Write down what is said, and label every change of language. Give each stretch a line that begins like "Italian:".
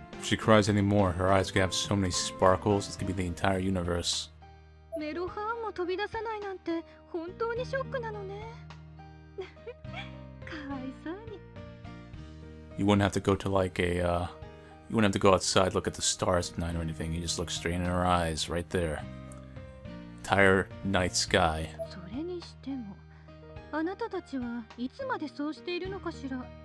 English: If she cries anymore, her eyes can have so many sparkles, it's gonna be the entire universe.
Japanese: メロハーンも飛び出さないなんて本当にショックなのね。かわいそうに。
English: You wouldn't have to go to like a, you wouldn't have to go outside, look at the stars at night or anything. You just look straight in her eyes, right there. Entire night sky.
Japanese: それにしても、あなたたちはいつまでそうしているのかしら。